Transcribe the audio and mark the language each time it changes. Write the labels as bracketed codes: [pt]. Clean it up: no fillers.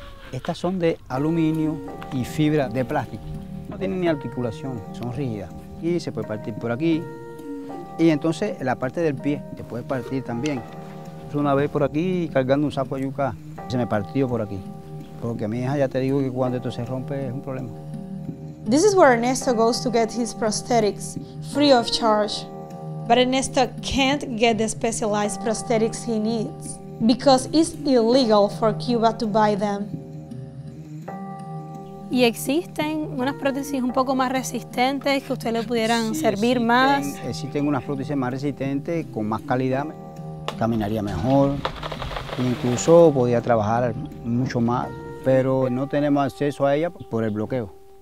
[es] Estas son de aluminio y fibra de plástico. No tienen ni articulación, son rígidas. Y se puede partir por aquí. Y entonces la parte del pie se puede partir también. Una vez por aquí cargando un sapo de yuca, se me partió por aquí. Porque a mi hija ya te digo que cuando esto se rompe es un problema. [en] This is where Ernesto goes to get his prosthetics free of charge. But Ernesto can't get the specialized prosthetics he needs because it's illegal for Cuba to buy them. [es] ¿Y existen unas prótesis un poco más resistentes que usted le pudieran sí, servir existen, más? Existen unas prótesis más resistentes, con más calidad. Caminaría mejor, incluso podría trabajar mucho más, pero no tenemos acceso a ella por el bloqueo.